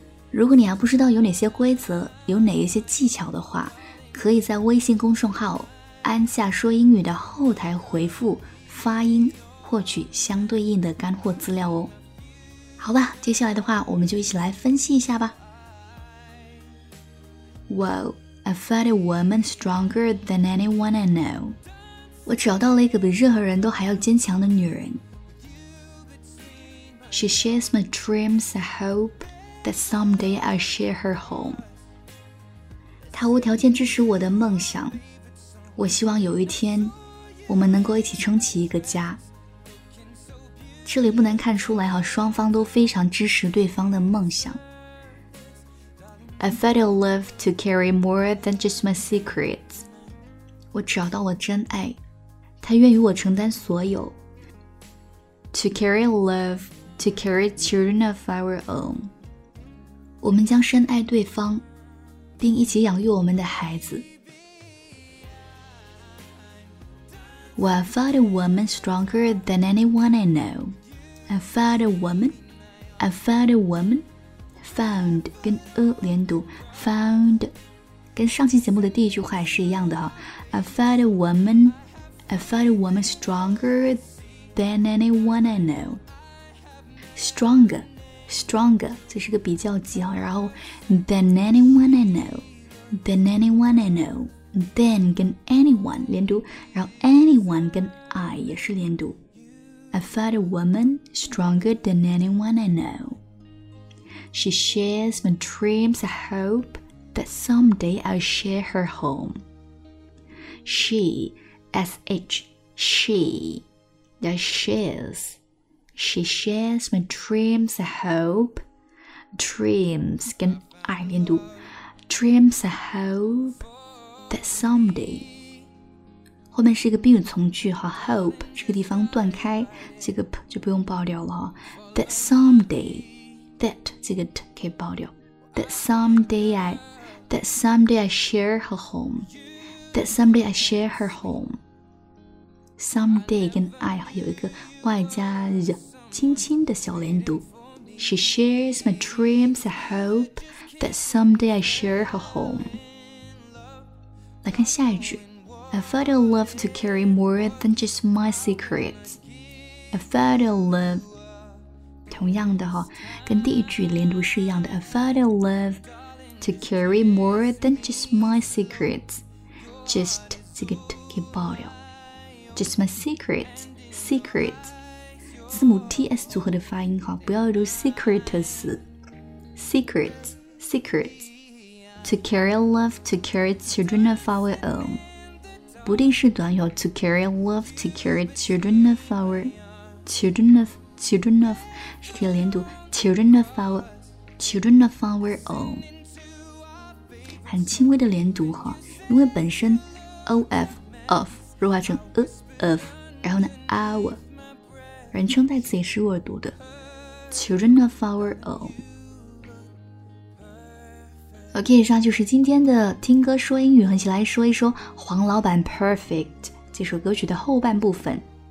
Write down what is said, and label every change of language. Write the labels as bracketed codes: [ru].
[zh] 如果你还不知道有哪些规则，有哪一些技巧的话，可以在微信公众号安夏说英语的后台回复发音，获取相对应的干货资料哦。好吧，接下来的话我们就一起来分析一下吧。 [en] Well, I found a woman stronger than anyone I know. [zh] 我找到了一个比任何人都还要坚强的女人。 [en] She shares my dreams. I hope that someday I'll share her home. [zh] 她无条件支持我的梦想，我希望有一天我们能够一起撑起一个家。这里不难看出来，双方都非常支持对方的梦想。 [en] I found a love to carry more than just my secrets. [zh] 我找到了真爱，他愿与我承担所有。 [en] To carry love, to carry children of our own. [zh] 我们将深爱对方，并一起养育我们的孩子。 [en] Well, I found a woman stronger than anyone I know. I found a woman. I found a woman. [zh] Found 跟连读 found 跟上期节目的第一句话是一样的哈。 [en] I found a woman. I found a woman stronger than anyone I know. Stronger, stronger [zh] 这是个比较级哈。 [en] 然后 than anyone I know, than anyone I know. [zh] Than 跟 anyone 连读，然后 anyone 跟 I 也是连读。 [en] I found a woman stronger than anyone I know. She shares my dreams. I hope that someday I'll share her home. She, S-H, she, that shares. She shares my dreams. I hope. Dreams 跟 I 连读。 Dreams I hopeThat someday. [zh] 后面是一个宾语从句哈 ，hope 这个地方断开，这个 p 就不用爆掉了哈。 [en] That someday, that [zh] 这个 t 可以爆掉。 [en] That someday I share her home. That someday I share her home. [zh] Someday 跟 I 有一个外加 z 轻轻的小连读。 [en] She shares my dreams. I hope that someday I share her home. [zh] 来看下一句。 [en] I found a love to carry more than just my secrets. I found a love, [zh] 同样的哈，跟第一句连读是一样的。 [en] I found a love to carry more than just my secrets. [zh] Just 这个 t 可以爆掉。 [en] Just my secrets, secrets [zh] 字母 TS 组合的发音哈，不要读 [en] secrets, secrets, secrets. To carry love, to carry children of our own. [zh] 不定式短语 [en] To carry love, to carry children of our Children of, children of 是可以连读 Children of our, children of our own. [zh] 很轻微的连读哈，因为本身 OF, of 弱化成 of 然后呢 our 人称代词也是弱读的 [en] Children of our own. [zh] OK, 以上就是今天的听歌说英语，一起来说一说黄老板 Perfect 这首歌曲的后半部分。